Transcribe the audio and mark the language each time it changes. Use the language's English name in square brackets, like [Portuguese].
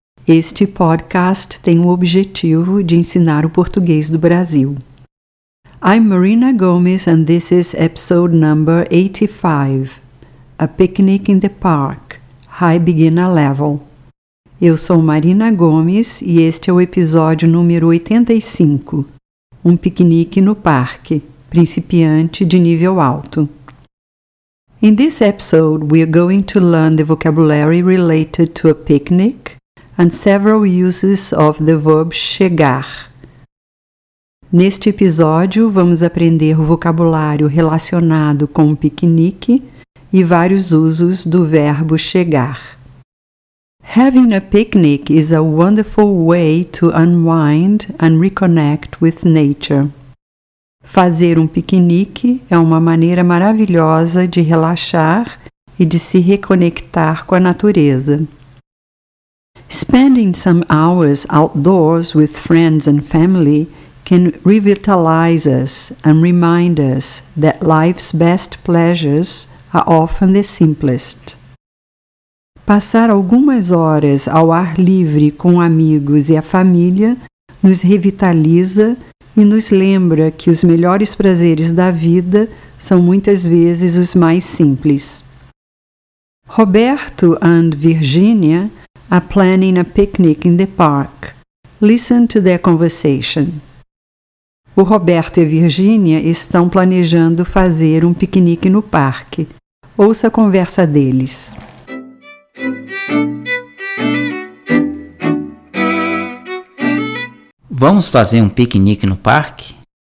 [Portuguese] Este podcast tem o objetivo de ensinar o português do Brasil. [English] I'm Marina Gomes and this is episode number 85, A Picnic in the Park, High Beginner Level. [Portuguese] Eu sou Marina Gomes e este é o episódio número 85. Um piquenique no parque, principiante de nível alto. [English] In this episode, we are going to learn the vocabulary related to a picnic and several uses of the verb chegar. [Portuguese] Neste episódio, vamos aprender o vocabulário relacionado com o piquenique e vários usos do verbo chegar. [English] Having a picnic is a wonderful way to unwind and reconnect with nature. [Portuguese] Fazer um piquenique é uma maneira maravilhosa de relaxar e de se reconectar com a natureza. [English] Spending some hours outdoors with friends and family can revitalize us and remind us that life's best pleasures are often the simplest. [Portuguese] Passar algumas horas ao ar livre com amigos e a família nos revitaliza e nos lembra que os melhores prazeres da vida são muitas vezes os mais simples. [English] Roberto and Virginia are planning a picnic in the park. Listen to their conversation. [Portuguese] O Roberto e a Virginia estão planejando fazer um piquenique no parque. Ouça a conversa deles. Vamos fazer um piquenique no parque?